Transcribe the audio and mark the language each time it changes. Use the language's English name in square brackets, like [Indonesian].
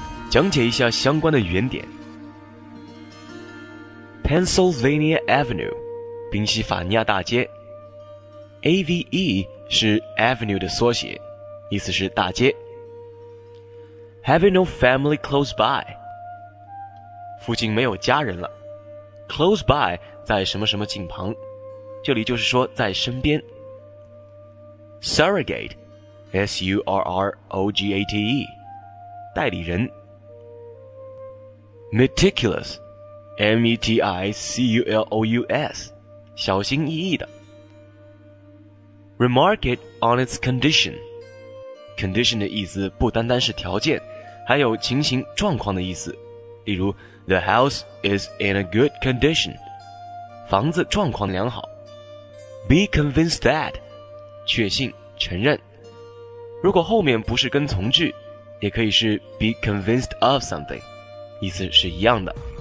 [Chinese] 讲解一下相关的语言点。 Pennsylvania Avenue, 宾夕法尼亚大街。 AVE 是 Avenue 的缩写，意思是大街。 [English] Having no family close by, [Chinese] 附近没有家人了。 Close by 在什么什么近旁，这里就是说在身边。 [English] Surrogate, S-U-R-R-O-G-A-T-E, [Chinese] 代理人。 [English] Meticulous, M-E-T-I-C-U-L-O-U-S, [Chinese] 小心翼翼的。 [English] Remark it on its condition, [Chinese] condition 的意思不单单是条件，还有情形状况的意思，例如 [English] The house is in a good condition, [Chinese] 房子状况良好。 [English] Be convinced that, [Chinese] 确信承认。如果后面不是跟从句，也可以是 [English] be convinced of something, [Chinese] 意思是一样的。